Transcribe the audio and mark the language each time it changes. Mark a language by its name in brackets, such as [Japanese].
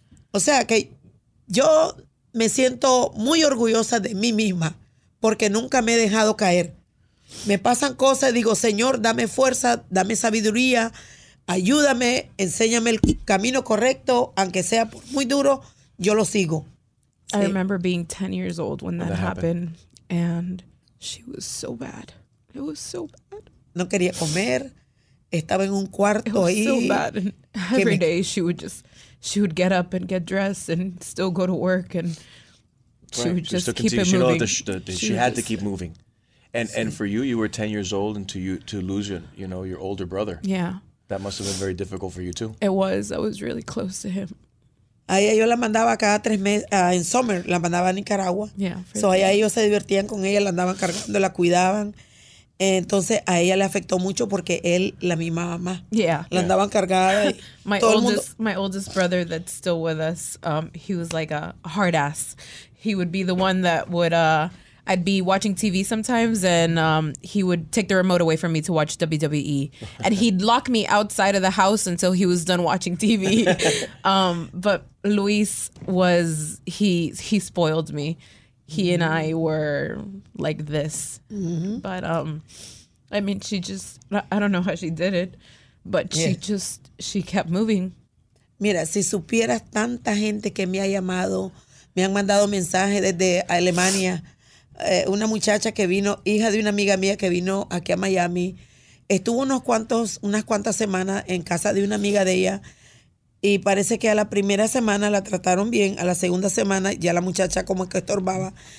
[Spanish] O sea que yo me siento muy orgullosa de mí misma porque nunca me he dejado caer. Me pasan cosas, digo, Señor, dame fuerza, dame sabiduría, ayúdame, enséñame el camino correcto, aunque sea muy duro, yo lo sigo. [English] I remember being 10 years old when that happened, and she was so bad. It was so bad. [Spanish] No quería comer, estaba en un cuarto ahí. [English] It was so bad, and every day she would get up and get dressed and still go to work, and she would just keep it moving. She had to keep moving. And for you, you were 10 years old, and to lose your older brother. Yeah. That must have been very difficult for you, too. It was. I was really close to him. [Spanish] Ahí yo la mandaba cada tres meses, en [English] summer, [Spanish] la mandaba a Nicaragua. [English] Yeah. [Spanish] So ahí ellos se divertían con ella, la andaban cargando, la cuidaban. Entonces a ella le afectó mucho porque él, la misma mamá, la andaban cargada. [English] My oldest brother that's still with us, he was like a hard ass. He would be the one that would... I'd be watching TV sometimes, and he would take the remote away from me to watch WWE. And he'd lock me outside of the house until he was done watching TV. But Luis was, he spoiled me. He mm-hmm. and I were like this. Mm-hmm. But, I mean, she just, I don't know how she did it, but she kept moving. [Spanish] Mira, si supieras tanta gente que me ha llamado, me han mandado mensajes desde Alemania. Una muchacha que vino, hija de una amiga mía que vino aquí a Miami, estuvo unas cuantas semanas en casa de una amiga de ella y parece que a la primera semana la trataron bien, a la segunda semana ya la muchacha como que estorbaba.